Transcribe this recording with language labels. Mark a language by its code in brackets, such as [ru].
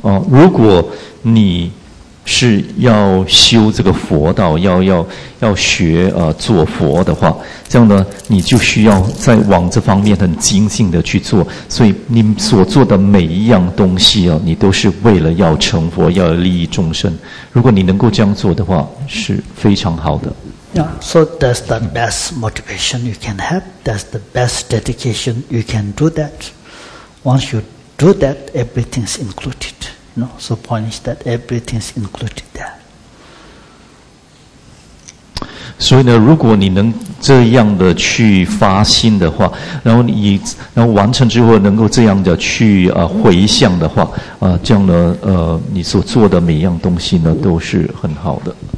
[zh] 如果你是要修这个佛道，要学做佛的话，这样呢，你就需要在往这方面很精进的去做。所以你所做的每一样东西啊，你都是为了要成佛，要利益众生。如果你能够这样做的话，是非常好的。 [en] Yeah, so that's the best motivation you can have. That's the best dedication you can do that. Once you do that, everything's included. You know, so point is that everything's included there. [zh] 所以呢，如果你能这样的去发心的话，然后完成之后能够这样的去回向的话，这样呢，你所做的每一样东西呢都是很好的。